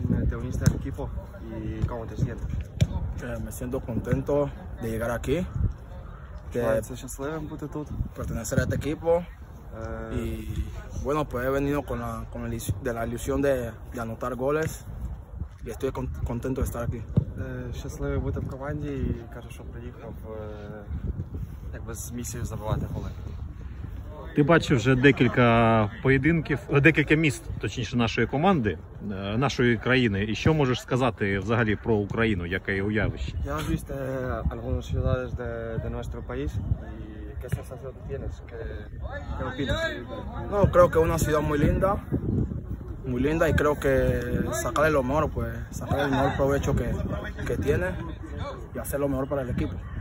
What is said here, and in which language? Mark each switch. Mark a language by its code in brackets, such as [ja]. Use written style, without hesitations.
[es] Te uniste al equipo y ¿cómo te sientes? Me siento contento de llegar aquí, de pertenecer a este equipo y bueno, pues he venido con la ilusión de anotar goles y estoy contento de estar aquí. [uk] Счастливий бути в команді і кажу, що приїхав якби з місією забивати голи. Ти бачив вже декілька поєдинків, декілька міст, точніше нашої команди, нашої країни. І що можеш сказати взагалі про Україну, яке є уявище? Я вже бачив [es] algunas ciudades de nuestro país y qué sensación tienes, qué opinas? No, creo que una ciudad muy linda y creo que sacarle lo mejor, pues sacarle el mejor provecho que tiene y hacer lo mejor para el equipo.